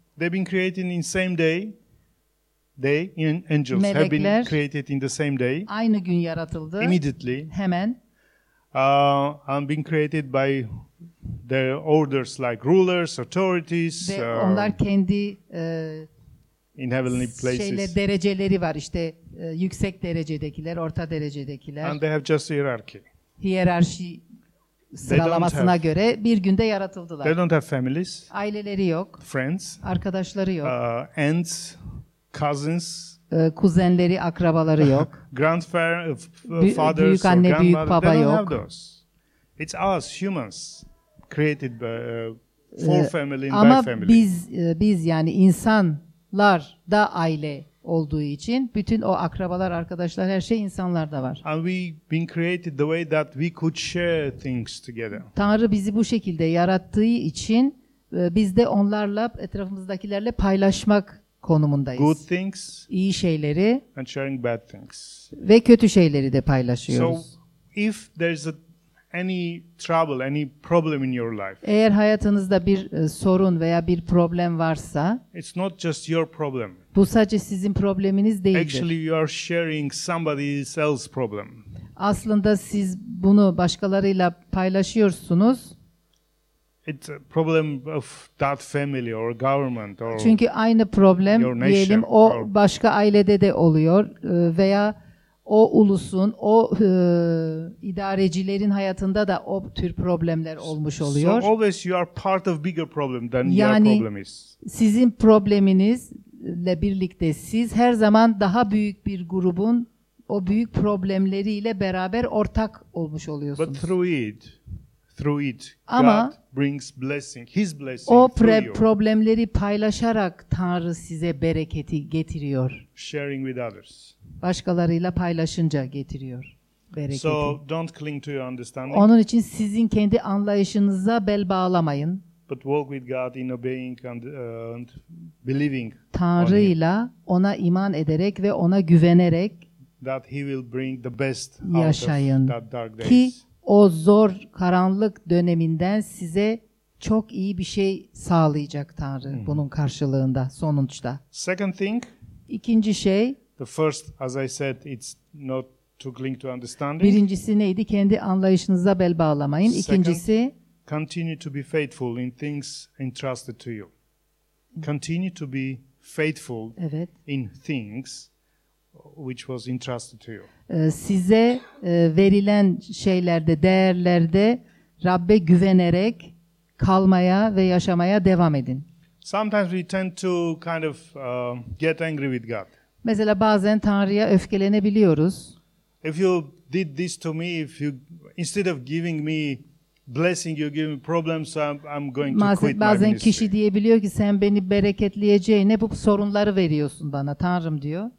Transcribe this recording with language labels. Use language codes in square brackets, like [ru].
[en] They've been created in same day. They in angels [tr] melekler [en] have been created in the same day. [tr] Aynı gün yaratıldı. [en] Immediately. [tr] Hemen. [en] And been created by their orders like rulers, authorities. [tr] Ve onlar kendi [en] in heavenly places. [tr] Şeyle dereceleri var işte yüksek derecedekiler, orta derecedekiler. [en] And they have just hierarchy. [tr] Hiyerarşi sıralamasına göre bir günde yaratıldılar. [en] They don't have families. [tr] Aileleri yok. [en] Friends. [tr] Arkadaşları yok. [en] Ants. cousins. [tr] Kuzenleri, akrabaları yok. Grandfathers, büyük anne, büyük baba yok. [en] It's us humans created by four family and [tr] ama [en] by family. [tr] Biz yani insanlar da aile olduğu için bütün o akrabalar, arkadaşlar, her şey insanlarda var. [en] And we been created the way that we could share things together. [tr] Tanrı bizi bu şekilde yarattığı için biz de onlarla, etrafımızdakilerle paylaşmak konumundayız. [en] Good things, [tr] iyi şeyleri [en] and sharing bad things. [tr] Ve kötü şeyleri de paylaşıyoruz. [en] So if there's any trouble, any problem in your life. [tr] Eğer hayatınızda bir sorun veya bir problem varsa, [en] it's not just your problem. [tr] Bu sadece sizin probleminiz değildir. [en] Actually, you are sharing somebody else's problem. [tr] Aslında siz bunu başkalarıyla paylaşıyorsunuz. [en] It's a problem of that family or government or. [tr] Çünkü aynı problem diyelim o başka ailede de oluyor veya o ulusun, o idarecilerin hayatında da o tür problemler olmuş oluyor. [en] So always you are part of bigger problem than [tr] yani, [en] your problem is. [tr] Sizin probleminizle birlikte siz her zaman daha büyük bir grubun o büyük problemleriyle beraber ortak olmuş oluyorsunuz. [en] But through it, ama God brings blessing, His blessing [tr] o problemleri paylaşarak Tanrı size bereketi getiriyor. [en] Sharing with others. [tr] Başkalarıyla paylaşınca getiriyor bereketi. [en] So don't cling to your understanding. [tr] Onun için sizin kendi anlayışınıza bel bağlamayın. [en] But walk with God in obeying and believing. [tr] Tanrı'yla ona iman ederek ve ona güvenerek [en] that he will bring the best [tr] yaşayın [en] out of that dark days. [tr] Ki o zor karanlık döneminden size çok iyi bir şey sağlayacak Tanrı bunun karşılığında sonuçta. [en] Second thing. [tr] İkinci şey. [en] The first, as I said, it's not to cling to understanding. [tr] Birincisi neydi? Kendi anlayışınıza bel bağlamayın. İkincisi, [en] second, continue to be faithful in things entrusted to you. Continue to be faithful [tr] evet. [en] In things which was entrusted to you. [tr] Size verilen şeylerde, değerlerde Rabbe güvenerek kalmaya ve yaşamaya devam edin. [en] Sometimes we tend to kind of get angry with God. [tr] Mesela bazen Tanrı'ya öfkelenebiliyoruz. [en] If you did this to me, if you instead of giving me blessing, you give me problems, I'm going to quit my ministry. [tr] Bazen kişi diyebiliyor ki sen beni bereketleyeceğine bu sorunları veriyorsun bana Tanrım diyor.